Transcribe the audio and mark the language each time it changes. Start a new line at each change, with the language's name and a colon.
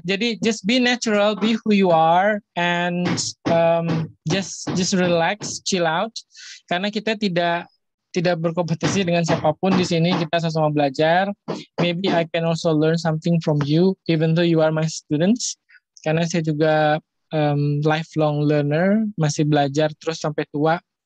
English: Jadi just be natural, be who you are, and just relax, chill out.
Indonesian: Karena kita tidak berkompetisi dengan siapapun di sini. Kita sama-sama belajar.
English: Maybe I can also learn something from you, even though you are my students.
Indonesian: Karena saya juga lifelong learner, masih belajar terus sampai tua.